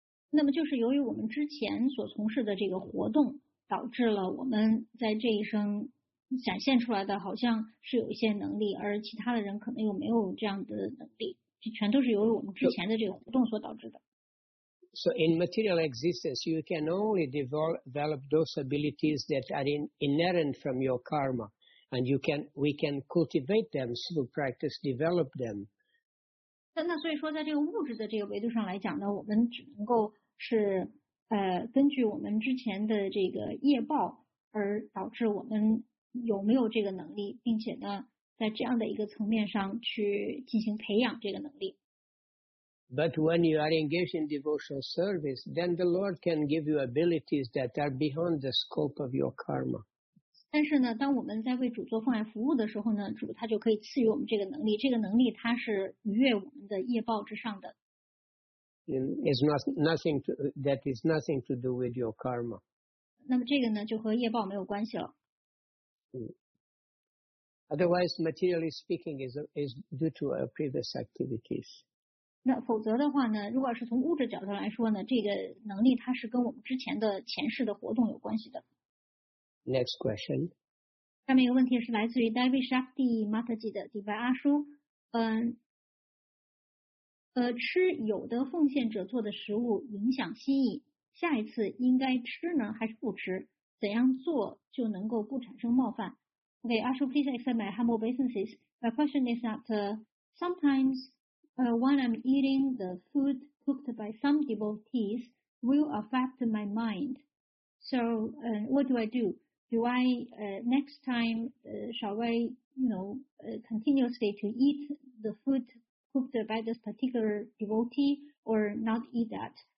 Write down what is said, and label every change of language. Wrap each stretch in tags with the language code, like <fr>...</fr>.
<zh>那么就是由于我们之前所从事的这个活动，导致了我们在这一生展现出来的好像是有一些能力，而其他的人可能又没有这样的能力，就全都是由于我们之前的这个活动所导致的。</zh> <en>So in material existence, you can only develop those abilities that are inherent from your karma. And we can cultivate them through practice, develop them.</en> <zh>那所以说在这个物质的这个维度上来讲呢，我们只能够是根据我们之前的这个业报而导致我们有没有这个能力，并且呢在这样的一个层面上去进行培养这个能力。</zh> <en>But when you are engaged in devotional service, then the Lord can give you abilities that are beyond the scope of your karma.</en> <zh>但是呢，当我们在为主做奉献服务的时候呢，主他就可以赐予我们这个能力，这个能力它是逾越我们的业报之上的。</zh> <en>It's nothing to, that is nothing to do with your karma.</en> <zh>那么这个呢，就和业报没有关系了。</zh> <en>Otherwise, materially speaking, is due to our previous activities.</en> <zh>那否则的话呢，如果是从物质角度来说呢，这个能力它是跟我们之前的前世的活动有关系的。</zh> <en>Next question.</en> <zh>下面一个问题是来自于 David Shakti Mataji 的迪白阿叔。吃有的奉献者做的食物影响心意，下一次应该吃呢还是不吃？怎样做就能够不产生冒犯？</zh> <en>Okay, Ashu, please accept my humble obeisances. My question is that sometimes when I'm eating the food cooked by some devotees will affect my mind. So what do I do? Do I next time, shall I, you know, continuously to eat the food cooked by this particular devotee or not eat that?</en>